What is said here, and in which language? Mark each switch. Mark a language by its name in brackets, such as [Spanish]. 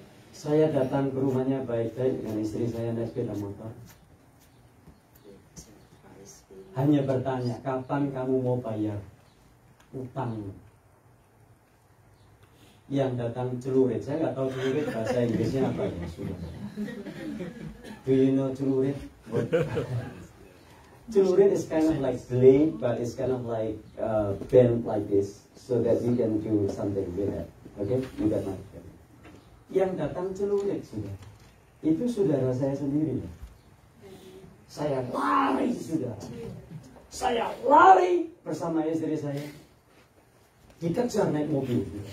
[Indonesian] Saya datang ke rumahnya baik-baik dengan istri saya naik sepeda motor. Hanya bertanya, kapan kamu mau bayar utang? Yang datang celurit, saya nggak tahu celurit bahasa Inggrisnya apa ya, saudara. [English] Do you know celurit? Celurit is kind of like blade, but it's kind of like bent like this, so that you can do something with it. Okay, you got my point. [Indonesian] Yang datang celurit sudah, itu saudara saya sendiri. Saya lari sudah, saya lari bersama istri saya. Kita jalan naik mobil.